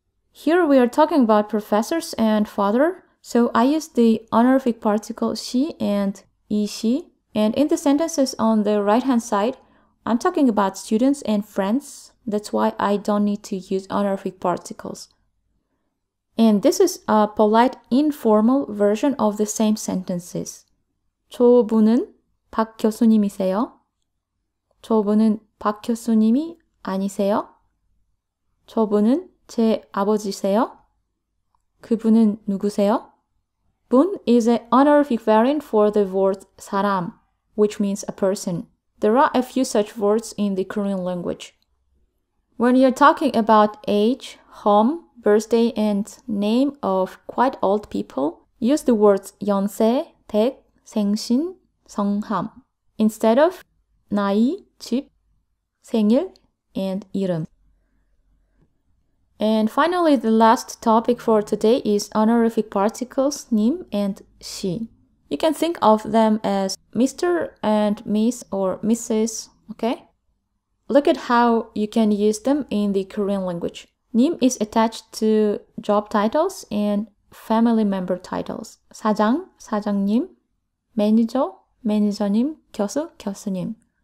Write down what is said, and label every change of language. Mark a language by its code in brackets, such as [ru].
[en] Here we are talking about professors and father, so I use the honorific particle 시 and 이시, and in the sentences on the right-hand side, I'm talking about students and friends, that's why I don't need to use honorific particles. And this is a polite informal version of the same sentences. [ko] 저분은 박 교수님이세요? 저분은 박 교수님이 아니세요? 저분은 제 아버지세요? 그분은 누구세요? [en] 분 is an honorific variant for the word 사람, which means a person. There are a few such words in the Korean language. When you're talking about age, home, birthday, and name of quite old people, use the words 연세, 댁, 생신, 성함 instead of 나이, 집, 생일, and 이름. And finally, the last topic for today is honorific particles 님 and 시. You can think of them as Mr. and Miss or Mrs., okay? Look at how you can use them in the Korean language. 님 is attached to job titles and family member titles. [ko] 사장, 사장님, 매니저, 매니저님, 교수, 교수님.